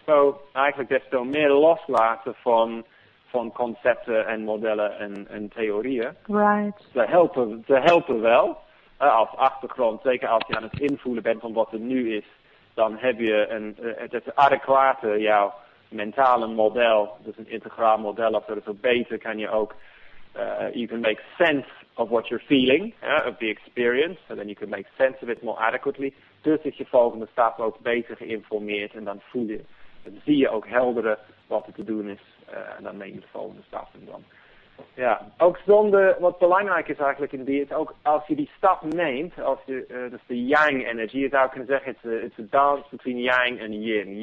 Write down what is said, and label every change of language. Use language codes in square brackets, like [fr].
[nl] Zo eigenlijk des te meer loslaten van concepten en modellen en theorieën. [en] Right. [nl] Ze helpen wel als achtergrond, zeker als je aan het invoelen bent van wat er nu is, dan heb je het adequate jouw mentale model, dus een integraal model of zo beter kan je ook. [en] You can make sense of what you're feeling, of the experience, and then you can make sense of it more adequately. [nl] Dus is je volgende stap ook beter geïnformeerd en dan voel je, dan zie je ook helderder wat er te doen is en dan neem je de volgende stap. En dan. Ja, ook zonder, wat belangrijk is eigenlijk in die, is ook als je die stap neemt, als je, dus de yang energie, je zou kunnen zeggen, [en] it's a dance between yang [nl] en yin.